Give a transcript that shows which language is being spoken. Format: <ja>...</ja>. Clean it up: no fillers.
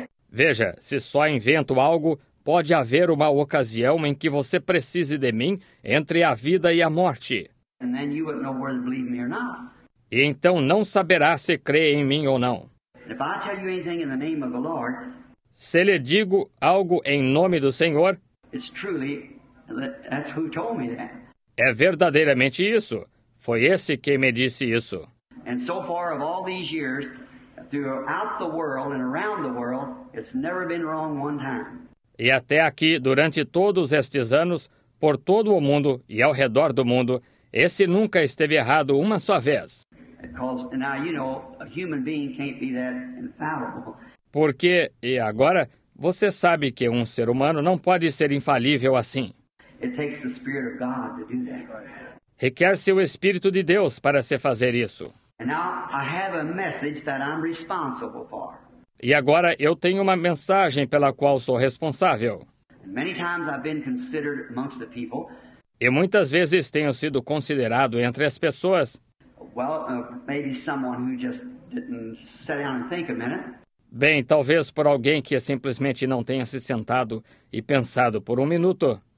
<pt>Veja, se só invento algo, pode haver uma ocasião em que você precise de mim entre a vida e a morte.</pt> <en>And then you wouldn't know whether to believe me or not.</en> <pt>E então não saberá se crê em mim ou não.</pt> <en>If I tell you anything in the name of the Lord,</en> <pt>se lhe digo algo em nome do Senhor,</pt> <en>it's truly... That's who told me that.</en> <pt>É verdadeiramente isso. Foi esse quem me disse isso.</pt> <en>And so far of all these years, throughout the world and around the world, it's never been wrong one time.</en> <pt>E até aqui, durante todos estes anos, por todo o mundo e ao redor do mundo, esse nunca esteve errado uma só vez.</pt> <en>Because now you know a human being can't be that infallible.</en> <pt>Porque, e agora, você sabe que um ser humano não pode ser infalível assim.</pt> <en>It takes the Spirit of God to do that.</en> <pt>Requer seu Espírito de Deus para se fazer isso.</pt> <en>And now I have a message that I'm responsible for.</en> <pt>E agora eu tenho uma mensagem pela qual sou responsável.</pt> <en>And many times I've been considered amongst the people.</en> <pt>E muitas vezes tenho sido considerado entre as pessoas.</pt> <en>Well, maybe someone who just didn't sit down and think a minute.</en> <pt>Bem, talvez por alguém que simplesmente não tenha se sentado e pensado por um minuto.</pt>